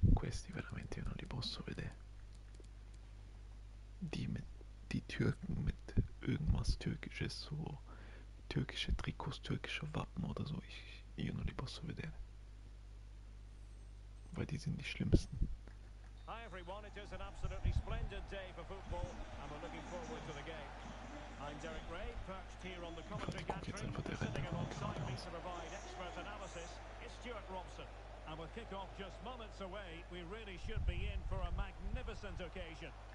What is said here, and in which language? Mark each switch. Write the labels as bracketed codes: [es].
[it] Questi veramente io non li posso vedere. [de] Die Türken mit irgendwas Türkisches, so türkische Trikots, türkische Wappen oder so. [it] Io non li posso vedere. [de] Weil die sind die schlimmsten. [en] Hi everyone, it is an absolutely splendid day for football and we're looking forward to the game. I'm Derek Ray, perched here on the commentary gantry, sitting alongside me to provide expert analysis is Stuart Robson. And with kickoff just moments away, we really should be in for a magnificent occasion.